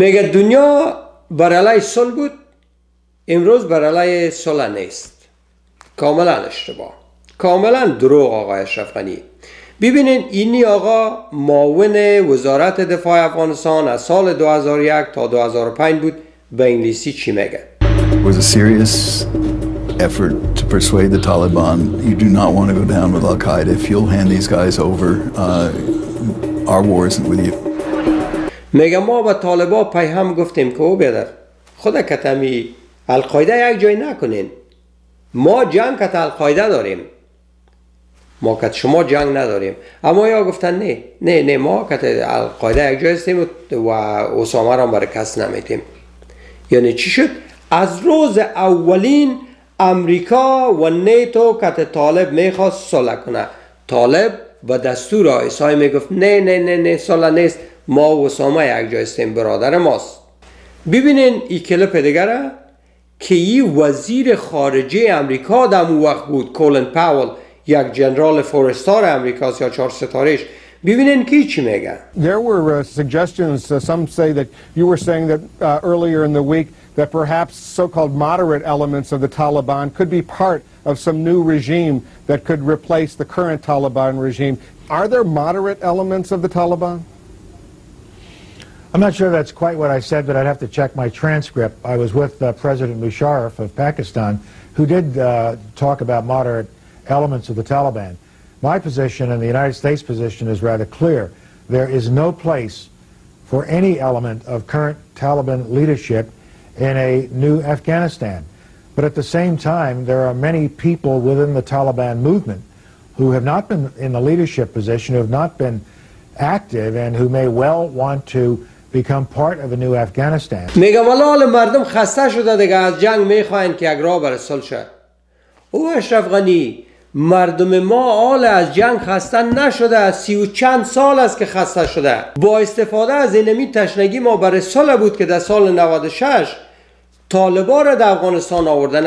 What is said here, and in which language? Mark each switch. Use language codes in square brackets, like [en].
[fa] میگه دنیا بر علی صلح بود، امروز بر علی صلح نیست. کاملا اشتباه، کاملا دروغ آقای اشرفغنی. ببینین اینی آقا معاون وزارت دفاع افغانستان از سال 2001 تا 2005 بود، به انگلیسی چی میگه؟ [en] Was a serious effort to persuade the Taliban you do not want to go down with Al-Qaeda. If you'll hand these guys over, our war isn't with you. [fa] میگه ما به طالبا پیغام گفتیم که او بیدر خود کتمی القاعده یک جای نکنین، ما جنگ کت القاعده داریم، ما کت شما جنگ نداریم. اما یا گفتن نه ما کت القاعده یک جای استیم و اسامه را برای کس نمیتیم. یعنی چی شد؟ از روز اولین امریکا و نیتو کت طالب میخواست صلح کنه، طالب به دستور آیسای میگفت نه صلح نیست، ما و اسامه یک جای استیم، برادر ماست. ببینین ای کلپ دیگره که ای وزیر خارجه امریکا در اون وقت بود، کولن پاول، یک جنرال فورستار امریکاست یا چهار ستارش. ببینین که چی میگه. [en] There were suggestions, some say that you were saying that earlier in the week that perhaps so-called moderate elements of the Taliban could be part of some new regime that could replace the current Taliban regime. Are there moderate elements of the Taliban? I'm not sure that's quite what I said, but I'd have to check my transcript. I was with President Musharraf of Pakistan, who did talk about moderate elements of the Taliban. My position and the United States position is rather clear. There is no place for any element of current Taliban leadership in a new Afghanistan. But at the same time, there are many people within the Taliban movement who have not been in the leadership position, who have not been active, and who may well want to become part of a new Afghanistan. [fa] میگه ولال مردم خسته شده دیگه از جنگ، میخواین که اگر بر صلح شه. او اشرف غنی، مردم ما آل از جنگ خسته نشده، 30 چند سال است که خسته شده. با استفاده از اینمی تشنگی ما بر صلح بود که در سال 96 طالبا را در افغانستان آوردن.